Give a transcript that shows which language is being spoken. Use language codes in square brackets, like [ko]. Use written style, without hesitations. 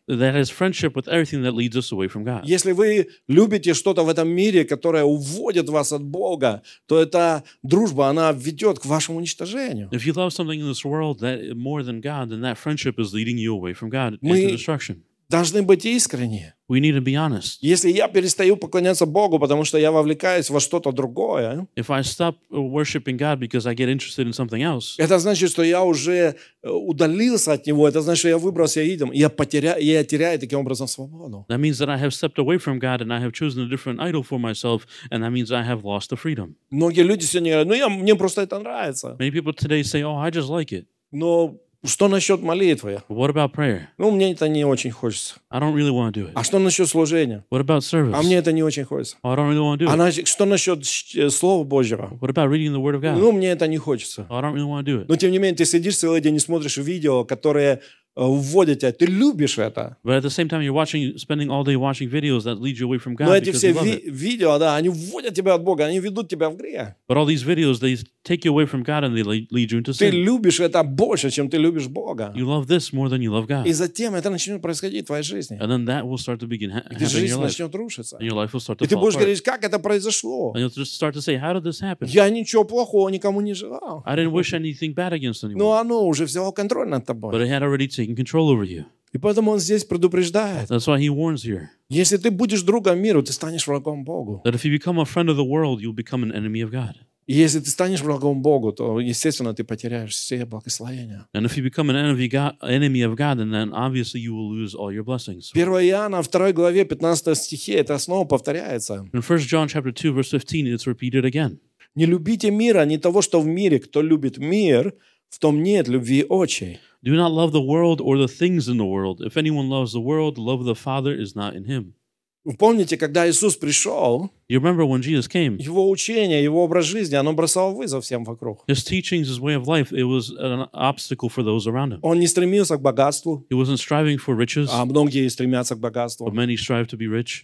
[en] That is friendship with everything that leads us away from God. [ru] Если вы любите что-то в этом мире, которое уводит вас от Бога, то эта дружба, она ведет к вашему уничтожению. [en] If you love something in this world that more than God, then that friendship is leading you away from God into destruction. [ru] Должны быть искренни. [en] We need to be honest. [ru] Если я перестаю поклоняться Богу, потому что я вовлекаюсь во что-то другое, [en] If I stop worshiping God because I get interested in something else, [ru] это значит, что я уже удалился от Него, это значит, что я выбрался идолом, и я теряю таким образом свободу. [en] That means that I have stepped away from God and I have chosen a different idol for myself, and that means I have lost the freedom. [ru] Многие люди сегодня говорят, ну, мне просто это нравится. [en] Many people today say, oh, I just like it. [ru] Но Что насчет молитвы? [en] What about prayer? [ru] Ну, мне это не очень хочется. [en] I don't really want to do it. [ru] А что насчет служения? [en] What about service? [ru] А мне это не очень хочется. [en] Oh, I don't really want to do it. [ru] А что насчет Слова Божьего? [en] What about reading the Word of God? [ru] Ну, мне это не хочется. [en] Oh, I don't really want to do it. [ru] Но, тем не менее, ты сидишь целый день и смотришь видео, которое вводит тебя, ты любишь это. [en] But at the same time, you're watching, spending all day watching videos that lead you away from God. [ru] Но эти все видео, да, они вводят тебя от Бога, они ведут тебя в грех. [en] But all these videos, they take you away from God and they lead you into sin. [ru] Ты любишь это больше, чем ты любишь Бога. [en] You love this more than you love God. [ru] И затем это начнет происходить в твоей жизни. [en] And then that will start to begin happening in your life. [ru] И жизнь начнет рушиться. [en] And your life will start to fall. [ru] И ты будешь говорить, как это произошло? [en] And you'll just start to say, how did this happen? [ru] Я ничего плохого никому не желал. [en] I didn't wish anything bad against anyone. [ru] Но оно уже взяло контроль над тобой. [en] But it had already taken control over you. [ru] И поэтому он здесь предупреждает. [en] That's why he warns here. [ru] Если ты будешь другом миру, ты станешь врагом Богу. [en] That if you become a friend of the world, you'll become an enemy of God. [ru] И если ты станешь врагом Богу, то естественно ты потеряешь все благословения. [en] And if you become an enemy of God, then obviously you will lose all your blessings. [ru] 1 Иоанна 2 главе 15 стихе это снова повторяется. [en] In 1 John chapter 2 verse 15 it's repeated again. [ru] Не любите мира, не того, что в мире. Кто любит мир, в том нет любви Отчей. [en] Do not love the world or the things in the world. If anyone loves the world, love of the Father is not in him. [ru] Помните, когда Иисус пришел? [en] You remember when Jesus came? [ru] Его учение, его образ жизни, оно бросало вызов всем вокруг. [en] His teachings, his way of life, it was an obstacle for those around him. [ru] Он не стремился к богатству. [en] He wasn't striving for riches. [ru] А многие стремятся к богатству. [en] But many strive to be rich.